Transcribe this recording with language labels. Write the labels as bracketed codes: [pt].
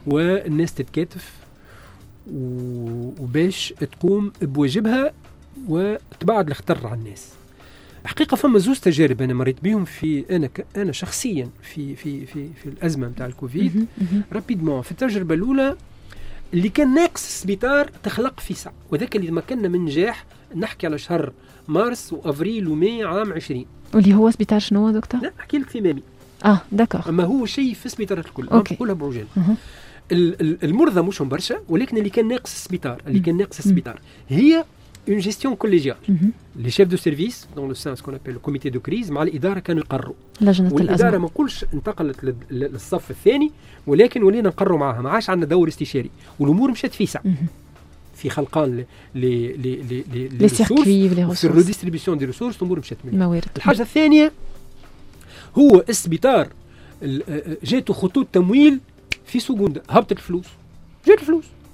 [ar] والناس تتكاتف وباش تقوم بواجبها وتبعد الخطر على الناس حقيقه فما زوز تجارب انا مريت بهم في انا شخصيا في في في في الازمه نتاع الكوفيد رابيدمون في التجربه الاولى اللي كان ناقص السبيطار تخلق في ساعه وذاك اللي ما كنا من نجاح نحكي على شهر مارس وافريل وماي عام 20 واللي هو سبيطار شنو دكتور لا احكي لك في مامي داكور اما هو شيء في سبيطار الكل نقولها بعجاله المرضى مش برشا ولكن اللي كان ناقص السبيطار اللي كان ناقص السبيطار هي [fr] une gestion collégiale. Les chefs de service dans le sens qu'on appelle le comité de crise [ar] مع الاداره كانوا يقرروا. والاداره ما نقولش انتقلت للصف الثاني ولكن ولينا نقرروا معها ما عادش عندنا دور استشاري والامور مشات في ساعه. في خلقان [fr] لي سيركوي [ar] في الريديستريبيسيون دي ريسورس الامور مشات مليح. موارد. الحاجه الثانيه هو السبيطار جاته خطوط تمويل في سكوندا هبطت الفلوس. جات الفلوس.